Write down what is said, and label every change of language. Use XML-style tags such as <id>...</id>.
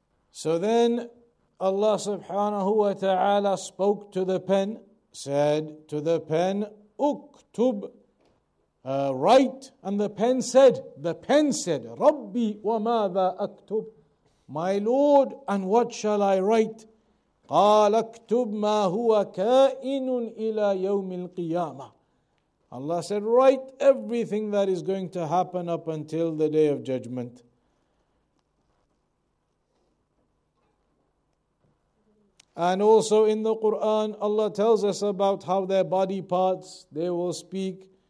<en>So then, Allah subhanahu wa ta'ala spoke to the pen, said to the pen, Uktub, write. And the pen said,</en> <ar>Rabbi wa maza aktub.</ar> <en>My Lord, and what shall I write?</en> <ar>قال اكتب ما هو كائن إلى يوم القيامة.</ar> <en>Allah said, write everything that is going to happen up until the Day of Judgment. And also in the Quran, Allah tells us about how their body parts, they will speak.</en>